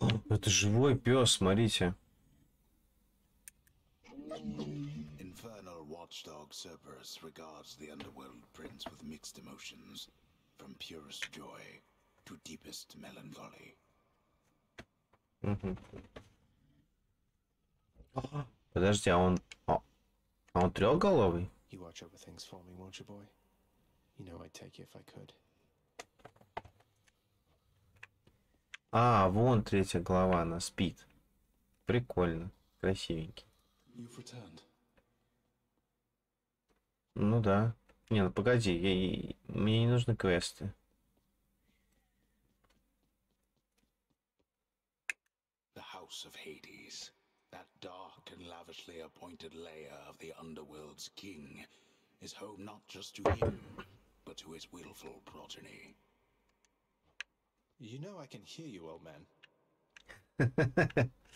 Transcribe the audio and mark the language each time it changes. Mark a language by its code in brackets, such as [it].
[ru] Это живой пес, смотрите. [en] Infernal watchdog Cerberus regards the underworld prince with mixed emotions, from purest joy to deepest melancholy. [ru] Подожди, а он трёхголовый? [en] You watch over things for me, won't you, boy? You know I'd take you if I could. [ru] А, вон третья глава, она спит. Прикольно, красивенький. Ну да. Не, ну погоди, мне не нужны квесты. [en] The House of Hades, that dark and lavishly appointed lair of the underworld's king, is home not just to him, but to his willful progeny. You know I can hear you, old man.